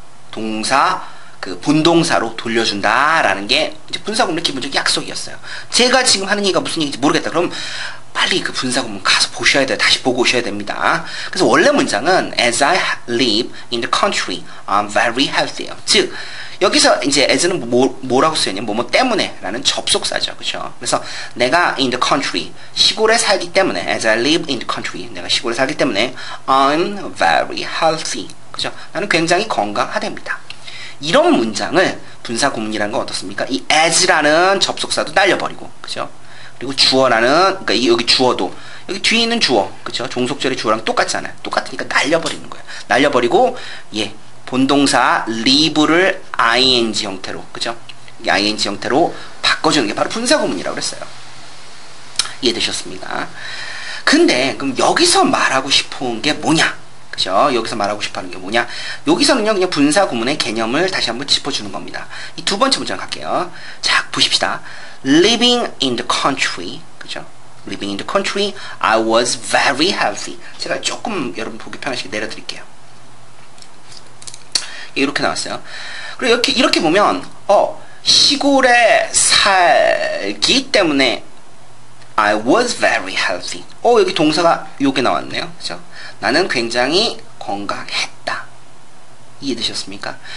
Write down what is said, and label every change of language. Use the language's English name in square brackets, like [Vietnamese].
[Korean] 동사 그 분동사로 돌려준다라는 게 이제 분사구문의 기본적인 약속이었어요. 제가 지금 하는 얘기가 무슨 얘기인지 모르겠다. 그럼 빨리 그 분사구문 가서 보셔야 돼요. 다시 보고 오셔야 됩니다. 그래서 원래 문장은 [English] As I live in the country, I'm very healthy. [Korean] 즉 여기서 이제 as는 뭐라고 쓰였냐, 뭐뭐 때문에 라는 접속사죠. 그쵸? 그래서 내가 [English] in the country, [Korean] 시골에 살기 때문에, [English] as I live in the country, [Korean] 내가 시골에 살기 때문에 [English] I'm very healthy. [Korean] 그쵸? 나는 굉장히 건강하답니다. 이런 문장을 분사구문이라는 건 어떻습니까? 이 as라는 접속사도 날려버리고, 그쵸? 그리고 주어라는, 그러니까 여기 주어도 여기 뒤에 있는 주어, 그쵸? 종속절의 주어랑 똑같잖아요. 똑같으니까 날려버리는 거예요. 날려버리고 예, 본동사 leave를 ing 형태로, 그죠? ing 형태로 바꿔주는 게 바로 분사구문이라고 그랬어요. 이해되셨습니까? 근데 그럼 여기서 말하고 싶은 게 뭐냐? 그죠? 여기서 말하고 싶어하는 게 뭐냐? 여기서는요 그냥 분사구문의 개념을 다시 한번 짚어주는 겁니다. 이 두 번째 문장 갈게요. 자, 보십시다. [English] Living in the country, [Korean] 그죠? [English] Living in the country, I was very healthy. [Korean] 제가 조금 여러분 보기 편하시게 내려드릴게요. 이렇게 나왔어요. 그리고 이렇게 보면 시골에 살기 때문에 [English] I was very healthy. [Korean] 여기 동사가 요게 나왔네요. 그죠? 나는 굉장히 건강했다. 이해되셨습니까?